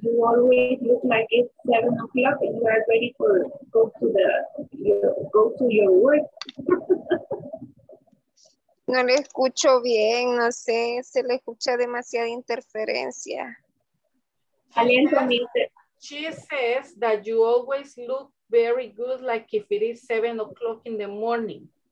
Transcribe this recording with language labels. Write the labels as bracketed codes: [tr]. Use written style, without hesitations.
[en] You always look like it's 7 o'clock and you are ready for go to the go to your work. [es] No le escucho bien, no sé, se le escucha demasiada interferencia. [en] She says that you always look very good like if it is 7 o'clock in the morning.